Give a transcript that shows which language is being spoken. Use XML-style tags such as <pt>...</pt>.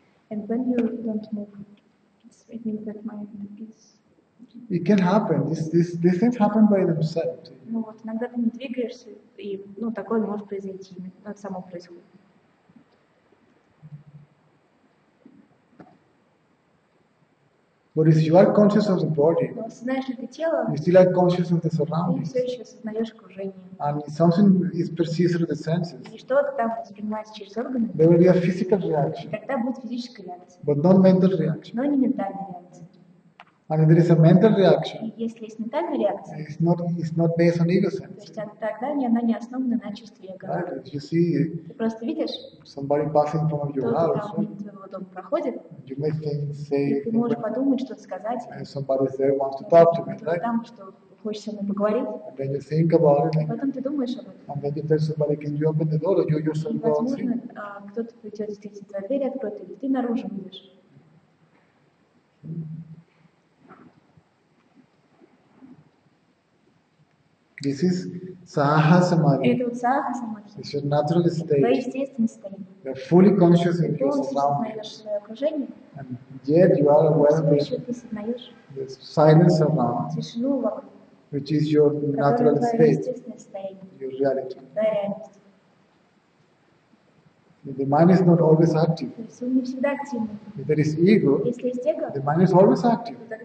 <en>And when you don't move, it means that my peace. It can happen. These things happen by themselves.</en> <ru>Ну вот, иногда ты не двигаешься, и ну такое может произойти, но это само происходит.</ru> <en>But if you are conscious of the body, you still are conscious of the surroundings.</en> <ru>Все еще осознаешь окружение.</ru> <en>And something is perceived through the senses.</en> <ru>И что-то там воспринимается через органы.</ru> <en>There will be a physical reaction.</en> <ru>Тогда будет физическая реакция.</ru> <en>But not mental reaction.</en> <ru>Но не ментальная реакция.</ru> <en>And if there is a mental reaction,</en> <ru>если есть ментальная реакция,</ru> <en>it's not based on ego sense.</en> <ru>То есть тогда она не основана на чувстве эго.</ru> <en>Right? You see,</en> <ru>ты просто видишь.</ru> <en>Somebody passing in front of your house.</en> <ru>Проходит,</ru> <en>you may think, say,</en> <ru>и ты можешь подумать, что-то сказать,</ru> <en>somebody there wants to talk to me, right?</en> <ru>Там, что хочешь со мной поговорить,</ru> <en>then you think about it,</en> <ru>like, потом ты думаешь об этом.</ru> <en>And then you tell somebody, can you open the door, or you yourself go outside.</en> <ru>Возможно, кто-то придет, встретит за дверь, откроет, или ты наружу выйдешь.</ru> <en>This is Saha Samadhi.</en> <ru>Это вот Saha Samadhi.</ru> <en>It's your natural state.</en> <ru>Твое естественное состояние.</ru> <en>You are fully conscious of your surroundings. And yet you are aware of the silence around, which is your natural state, your reality. The mind is not always active. If there is ego, the mind is always active.</en>